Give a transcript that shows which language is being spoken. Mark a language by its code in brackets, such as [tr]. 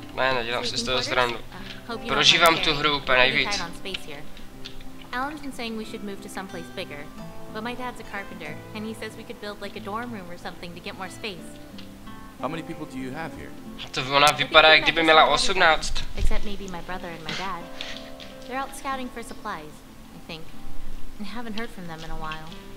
[cs] Ne, nedělám si z toho srandu. Prožívám tu hru úplně nejvíc. [en] Alan's been saying we should move to someplace bigger. But my dad's a carpenter, and he says we could build like a dorm room or something to get more space. How many people do you have here? [cs] To ona vypadá, jak kdyby měla 18. [en] Except maybe my brother and my dad. They're out scouting for supplies, I think. I haven't heard from them in a while.